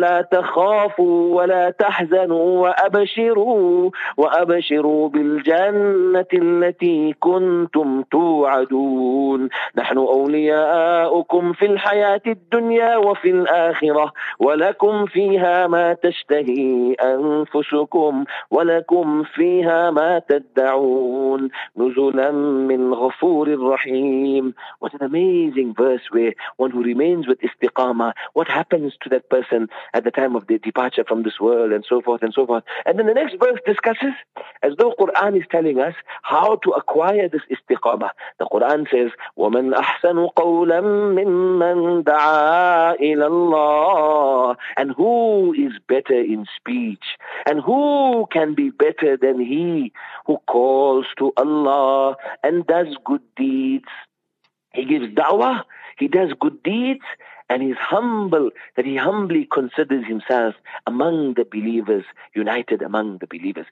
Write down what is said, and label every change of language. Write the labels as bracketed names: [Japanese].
[Arabic] تخافوا ولا تحزنوا وأبشروا بالجنة التي كنتم توعدون نحن أولياؤكم في الحياة الدنيا وفي الآخرة ولكم فيها ما تشتهي أنفسكم ولكم فيها ما تدعون نزلا من غفور رحيم. [English] What an amazing verse. One who remains with istiqama, what happens to that person at the time of their departure from this world and so forth and so forth. And then the next verse discusses, as though Quran is telling us how to acquire this istiqama. The Quran says, [Arabic] وَمَنْ أَحْسَنُ قَوْلًا مِّمَّنْ دَعَى إِلَى اللَّهِ. [English] And who is better in speech? And who can be better than he who calls to Allah and does good deeds? He gives da'wah, he does good deeds, and he's humble, that he humbly considers himself among the believers, united among the believers.